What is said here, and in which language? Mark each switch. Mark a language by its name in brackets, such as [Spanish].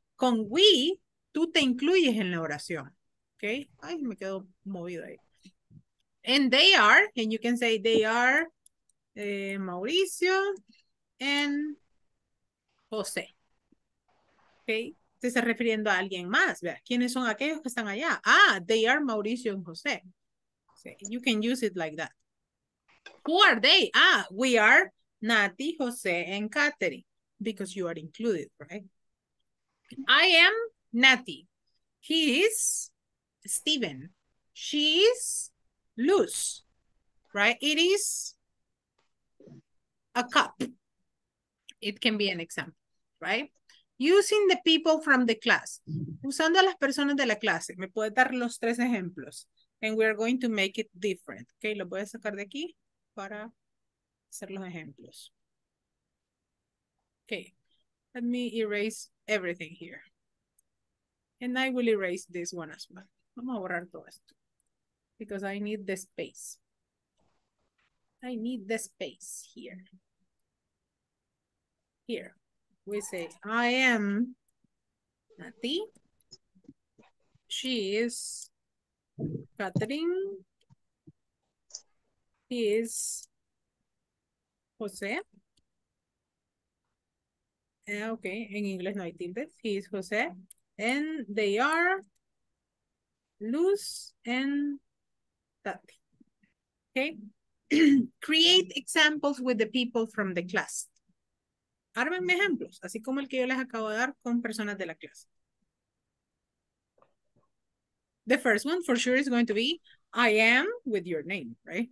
[Spanish] Con we, tú te incluyes en la oración. Okay, ay, me quedo movido ahí. [English] And they are, and you can say they are Mauricio and José. [Spanish] Okay, te estás refiriendo a alguien más. Vea, ¿quiénes son aquellos que están allá? [English] Ah, they are Mauricio and José. Okay. You can use it like that. Who are they? Ah, we are Nati, José, and Katherine, because you are included, right? I am Nati. He is Steven. She is Luz, right? It is a cup. It can be an example, right? Using the people from the class. [Spanish] Usando a las personas de la clase. Me puede dar los tres ejemplos. [English] And we are going to make it different. [Spanish] Okay, lo voy a sacar de aquí para hacer los ejemplos. [English] Okay, let me erase everything here. And I will erase this one as well. [Spanish] Vamos a borrar todo esto. [English] Because I need the space. I need the space here. Here. We say, I am Nati. She is Catherine. He is Jose. Okay, in English [Spanish] no hay tilde. [English] He is Jose. And they are Luz and Tati. Okay. Create examples with the people from the class. [Spanish] Ármenme ejemplos, así como el que yo les acabo de dar con personas de la clase. [English] The first one for sure is going to be I am with your name, right?